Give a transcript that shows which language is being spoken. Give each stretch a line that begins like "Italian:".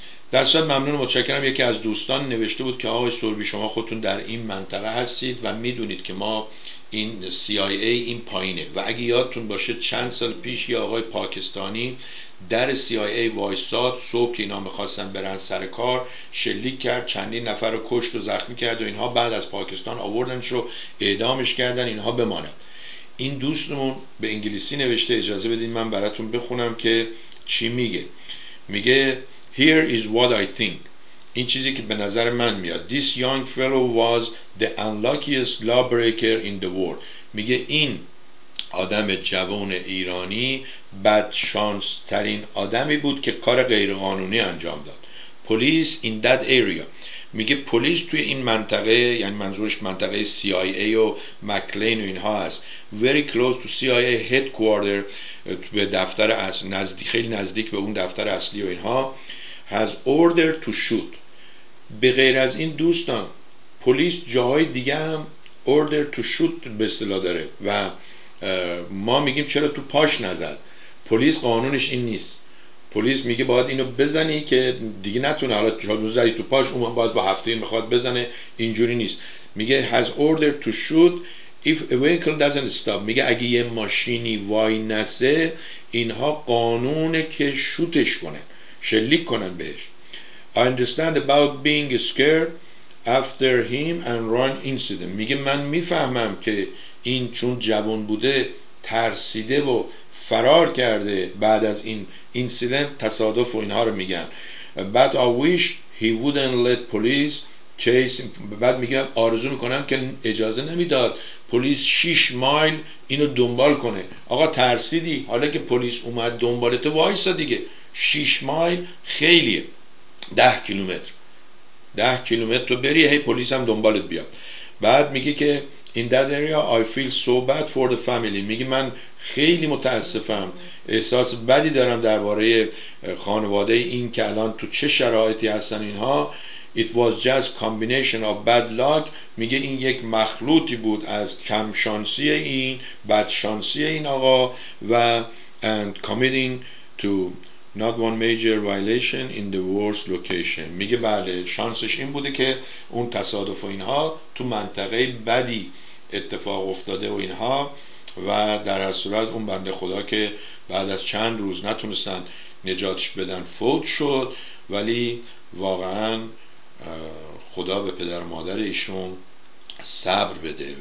Persian: در صورت ممنون و متشکرم. یکی از دوستان نوشته بود که آقای سوربی شما خودتون در این منطقه هستید و میدونید که ما این CIA این پایینه، و اگه یادتون باشه چند سال پیش یه آقای پاکستانی در CIA وایساد، صبح که اینا میخواستن برن سر کار شلیک کرد، چندین نفر رو کشت و زخمی کرد و اینها، بعد از پاکستان آوردنش رو اعدامش کردن اینها بمانه. این دوستمون به انگلیسی نوشته، اجازه بدین من براتون بخونم که چی میگه. میگه
English: Here is what I think.
Persian: این چیزی که به نظر من میاد.
English: This young fellow was the unluckiest lawbreaker in the world.
Persian: میگه این آدم جوان ایرانی بدشانس ترین آدمی بود که کار غیرقانونی انجام داد.
English: پلیس in that area.
Persian: میگه پلیس توی این منطقه، یعنی منظورش منطقه CIA و مکلین و اینها هست،
English: very close to CIA headquarter،
Persian: به دفتر اصلی نزدیک، خیلی نزدیک به اون دفتر اصلی و اینها،
English: has order to shoot.
Persian: به غیر از این دوستان، پلیس جاهای دیگه هم
English: order to shoot
Persian: به اصطلاح داره و ما میگیم چرا تو پاش نزد. پلیس قانونش این نیست. پلیس میگه باید اینو بزنی که دیگه نتونه، حالا چون زدی تو پاش اون باز با هفته این میخواد بزنه، اینجوری نیست. میگه
English: has order to shoot if a vehicle doesn't stop.
Persian: میگه اگه یه ماشینی وای نسه، اینها قانونه که شوتش کنه، شلیک کنن بهش.
English: I understand about being scared after him and run incident.
Persian: میگه من میفهمم که این چون جوان بوده ترسیده و فرار کرده بعد از این incident، تصادف و اینها رو میگن.
English: But I wish he wouldn't let police chase.
Persian: بعد میگم آرزو میکنم که اجازه نمیداد پلیس 6 مایل اینو دنبال کنه. آقا ترسیدی، حالا که پلیس اومد دنبالت وایسا دیگه. 6 مایل خیلیه، 10 کیلومتر تو بری هی پلیس هم دنبالت بیاد. بعد میگه که
English: in that area I feel so bad for the family.
Persian: میگه من خیلی متاسفم، احساس بدی دارم درباره خانواده این که الان تو چه شرایطی هستن اینها.
English: It was just combination of bad luck.
Persian: میگه این یک مخلوطی بود از کم شانسی این، بد شانسی این آقا، و
English: and committing to not one major violation in the worst location.
Persian: میگه بله شانسش این بوده که اون تصادف و اینها تو منطقه بدی اتفاق افتاده و اینها، و در هر صورت اون بنده خدا که بعد از چند روز نتونستن نجاتش بدن فوت شد، ولی واقعا خدا به پدر مادر ایشون صبر بده.